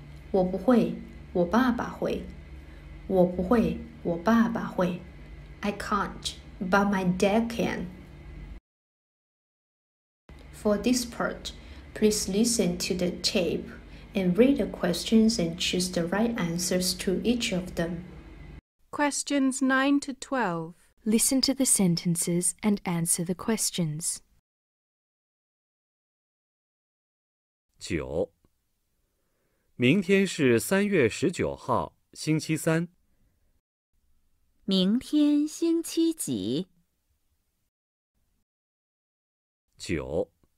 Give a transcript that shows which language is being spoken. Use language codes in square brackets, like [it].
[zh] 我不会，我爸爸会。我不会，我爸爸会。I [en] can't, but my dad can. For this part, please listen to the tape and read the questions and choose the right answers to each of them. Questions 9 to 12. Listen to the sentences and answer the questions. [zh] 九，明天是三月十九号，星期三。明天星期几？九，